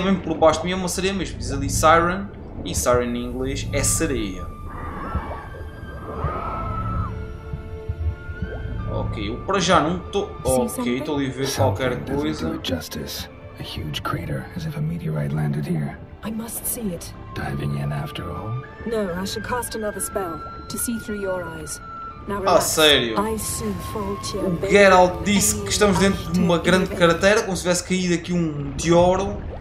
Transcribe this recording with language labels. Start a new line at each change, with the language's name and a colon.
Portuguese: Bem por baixo de mim é uma sereia mesmo. Diz ali Siren. E Siren em inglês é sereia. Ok. Eu para já não estou... Ok. Estou ali a ver qualquer coisa. Um grande crater, como se um
English: meteorite landed here. I must see it. Diving in after all? No, I should cast another spell to see through your eyes. Now, relax.
Portuguese: Ah, sério? O Geralt disse que estamos dentro de uma grande cratera, como se tivesse caído aqui um meteoro.